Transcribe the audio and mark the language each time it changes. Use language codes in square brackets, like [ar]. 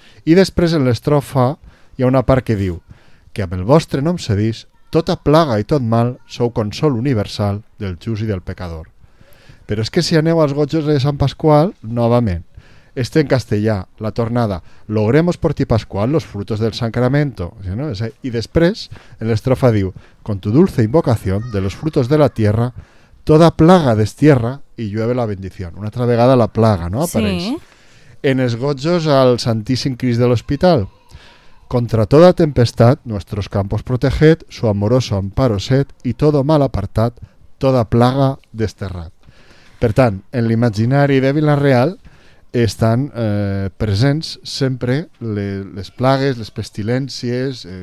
[ca] I després en l'estrofa hi ha una part que diu que amb el vostre nom cedís tota plaga i tot mal sou consol universal del just i del pecador. Però és que si aneu als gotxos de Sant Pasqual, novament, este en castellà, la tornada, [es] logremos por ti Pasqual los frutos del sacramento. [ca] I després, en l'estrofa diu, [es] con tu dulce invocación de los frutos de la tierra, toda plaga destierra y llueve la bendición. [ca] Una altra vegada la plaga, no? Apareix. Sí. En els gotxos al Santíssim Crist de l'Hospital. [es] Contra toda tempestad, nuestros campos proteged, su amoroso amparo sed, y todo mal apartad, toda plaga desterrad. [ca] Per tant, en l'imaginari de Vila-real estan presents sempre les plagues, les pestilències.